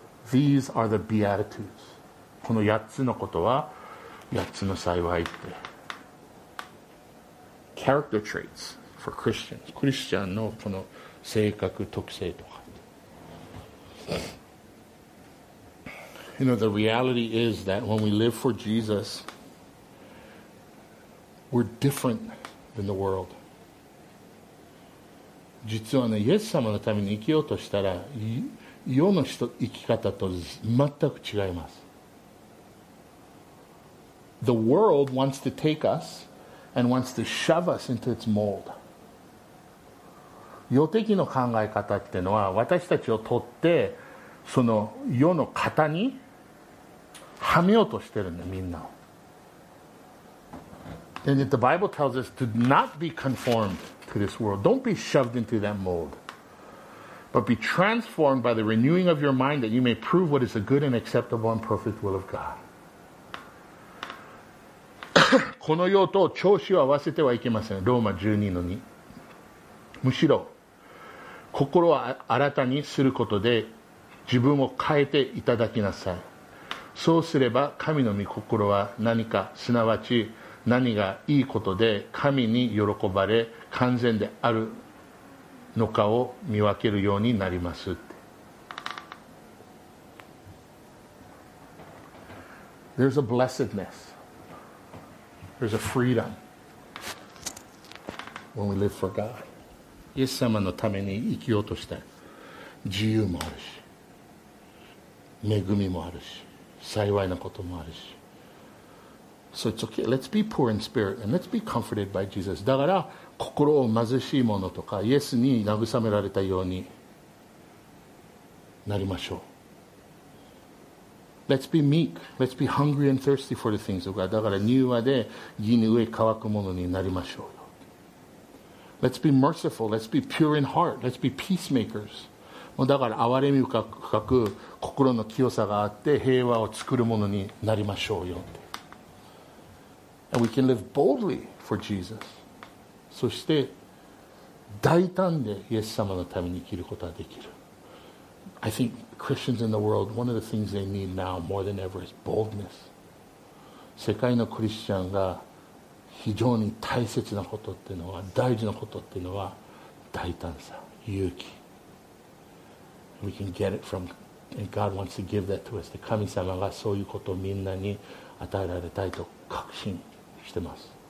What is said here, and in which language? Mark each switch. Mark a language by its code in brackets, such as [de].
[en] These are the Beatitudes. [ja] この8つのことは8つの幸いって。 [en] Character traits for Christians. [ja] クリスチャンのこの性格特性とか。 [en] You know, the reality is that when we live for Jesus, we're different than the world. [ja] 実はね、イエス様のために生きようとしたら、世の生き方と全く違います。 [en] The world wants to take us and wants to shove us into its mold. [ja] 世的の考え方ってのは私たちを取ってその世の型にはめようとしてるんだ、みんな。 [en] And the Bible tells us to not be conformed to this world. Don't be shoved into that mold. But be transformed by the renewing of your mind that you may prove what is the good and acceptable and perfect will of God. [ja] この世と調子を合わせてはいけません。ローマ 12-2。むしろ心を新たにすることで自分を変えていただきなさい。そうすれば神の御心は何か、すなわち何がいいことで神に喜ばれ完全であるのかを見分けるようになります。 [en] There's a blessedness. There's a freedom. when we live for God. [ja] イエス様のために生きようとしたい。自由もあるし、恵みもあるし、幸いなこともあるし。 [en] So it's okay. Let's be poor in spirit and let's be comforted by Jesus. [ja] だから心を貧しいものとか、イエスに慰められたようになりましょう。 [en] Let's be meek. Let's be hungry and thirsty for the things of God. [ja] だから柔和で義に飢え渇くものになりましょう。 [en] Let's be merciful. Let's be pure in heart. Let's be peacemakers. [ja] だから憐れみ深く心の清さがあって平和を作るものになりましょうよって。 [en] And we can live boldly for Jesus. [ja] そして大胆でイエス様のために生きることができる。 [en] I think Christians in the world, one of the things they need now more than ever is boldness. [ja] 世界のクリスチャンが非常に大切なことっていうのは、大事なことっていうのは、大胆さ、勇気。 [en] We can get it from, and God wants to give that to us. [ja] 神様がそういうことをみんなに与えられたいと確信してます。